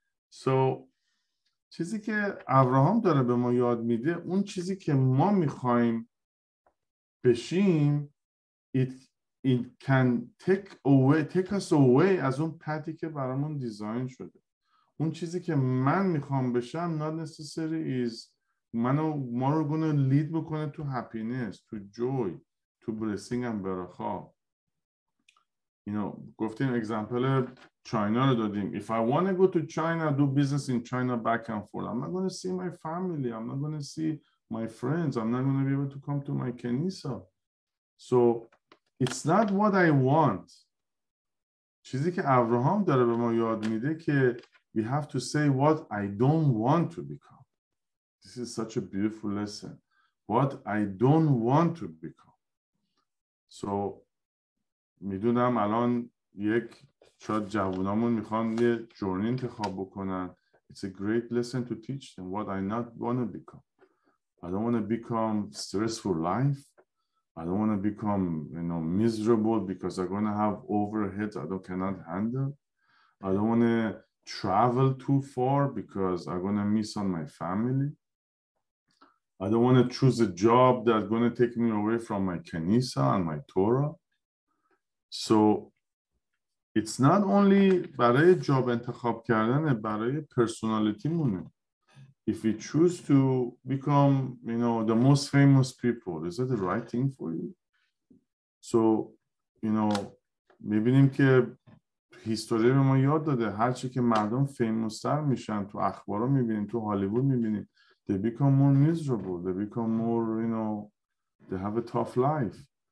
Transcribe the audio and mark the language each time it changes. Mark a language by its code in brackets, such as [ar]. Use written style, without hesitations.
[fa] So چیزی که ابراهام داره به ما یاد میده اون چیزی که ما میخواییم بشیم [en] it can take us away [fa] از اون پتی که برامون دیزاین شده. اون چیزی که من میخوام بشم [en] not necessary is [fa] منو ما رو گونه [en] lead [fa] بکنه [en] to happiness, to joy, to blessing and barakah. [fa] گفتیم اگزمپل چاینا رو دادیم. [en] If I want to go to China, do business in China back and forth, I'm not going to see my family, I'm not going to see my friends, I'm not going to be able to come to my kenisa. So it's not what I want. [fa] چیزی که ابراهام داره به ما یاد میده که [en] we have to say what I don't want to become. This is such a beautiful lesson. What I don't want to become. [fa] So میدونم الان یک شاید جوانامون میخوان یه جورنی انتخاب بکنن. [en] It's a great lesson to teach them what I not want to become. I don't want to become stressful life. I don't want to become, you know, miserable because I'm going to have overheads I don't cannot handle. I don't want to travel too far because I'm going to miss on my family. I don't want to choose a job that's going to take me away from my kenisa and my Torah. So it's not only [fa] برای جاب انتخاب کردن، برای پرسونالیتی مونه. [en] If we choose to become, you know, the most famous people, is that the right thing for you? [fa] So, you know, میبینیم که هیستوری به ما یاد داده هرچی که مردم فیموس‌تر میشن تو اخبارو میبینیم، تو هالیوود میبینیم، [en] they become more miserable, they become more, you know, they have a tough life.